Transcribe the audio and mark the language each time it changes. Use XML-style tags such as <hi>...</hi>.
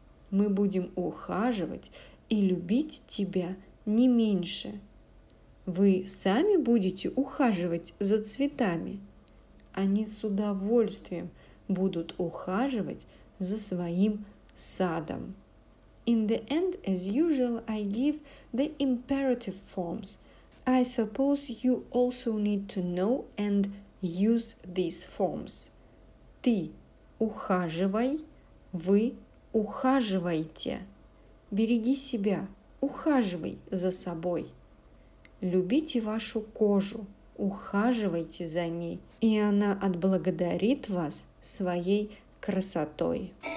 <ru>Мы будем ухаживать и любить тебя не меньше. Вы сами будете ухаживать за цветами. Они с удовольствием будут ухаживать за своим садом.</ru> <en>In the end, as usual, I give the imperative forms. I suppose you also need to know and use these forms.</en> <ru>Ты ухаживай, вы ухаживайте. Береги себя, ухаживай за собой. Любите вашу кожу, ухаживайте за ней, и она отблагодарит вас своей красотой.</ru>